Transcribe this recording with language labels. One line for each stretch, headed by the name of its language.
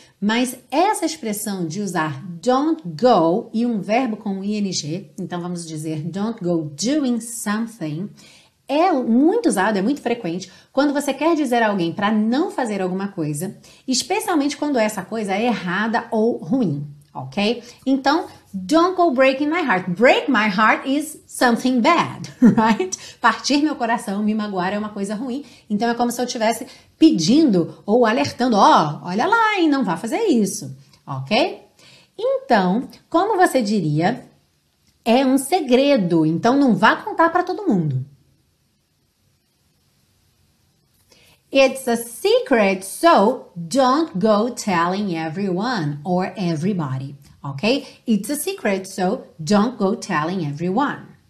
Portuguese: Mas essa expressão de usar
English: don't go
Portuguese: e um verbo com ing, então vamos dizer
English: don't go doing something,
Portuguese: é muito usado, é muito frequente quando você quer dizer a alguém para não fazer alguma coisa, especialmente quando essa coisa é errada ou ruim, ok?
English: Então, don't go breaking my heart. Break my heart is something bad, right?
Portuguese: Partir meu coração, me magoar é uma coisa ruim. Então, é como se eu tivesse pedindo ou alertando, olha lá, hein, não vá fazer isso, ok? Então, como você diria, é um segredo, então não vá contar para todo mundo.
English: It's a secret, so don't go telling everyone or everybody, ok? It's a secret, so don't go telling everyone.